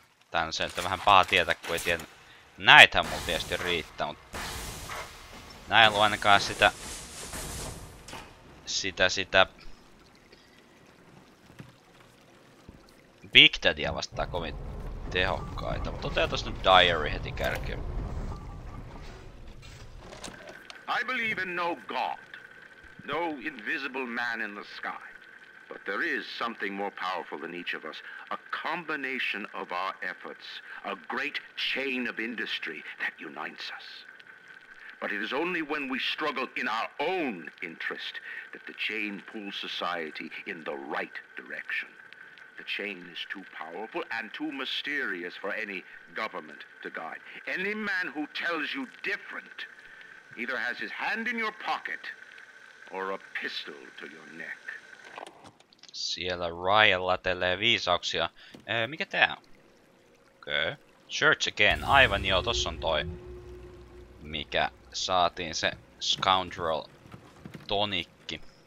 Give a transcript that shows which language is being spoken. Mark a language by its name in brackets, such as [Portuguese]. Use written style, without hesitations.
[Finnish] Tää on se, että vähän paha tietää, kun ei tiedä. Näitähän mulla tietysti riittää, mutta näin ei ollut ainakaan sitä. Big Daddyä vastaan kovin tehokkaita. Mutta otetaan nyt Diary heti kärkeen. [English] I believe in no god, no invisible man in the sky, but there is something more powerful than each of us, a combination of our efforts, a great chain of industry that unites us. But it is only when we struggle in our own interest that the chain pulls society in the right direction. The chain is too powerful and too mysterious for any government to guide. Any man who tells you different either has his hand in your pocket, or a pistol to your neck. [Finnish] Siellä Ryan latelee viisauksia. Mikä tää on? Okay. [English] Church again. [Finnish] Aivan joo, tossa on toi. Mikä saatiin se scoundrel tonikki.